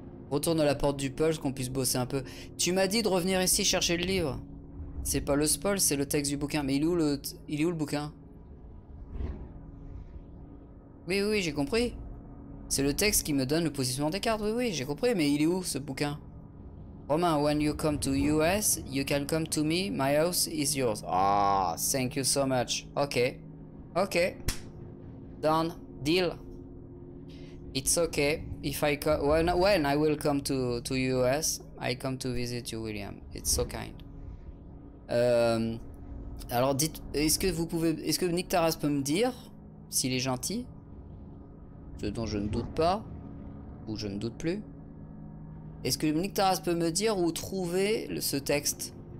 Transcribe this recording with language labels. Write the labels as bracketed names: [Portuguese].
[French] Retourne à la porte du peuple, qu'on puisse bosser un peu. Tu m'as dit de revenir ici chercher le livre. C'est pas le spoil, c'est le texte du bouquin. Mais il est où le bouquin? Oui, j'ai compris. C'est le texte qui me donne le positionnement des cartes. Oui, j'ai compris. Mais il est où ce bouquin? [English] Romain, when you come to US, you can come to me. My house is yours. Ah, thank you so much. Okay. Okay. Done. Deal. It's okay. If I come, when I will come to US, I come to visit you, William. It's so kind. [French] Alors dites, est-ce que vous pouvez, est-ce que Nick Taras peut me dire s'il est gentil? Ce dont je ne doute pas, ou je ne doute plus. Est-ce que Nick Taras peut me dire où trouver ce texte?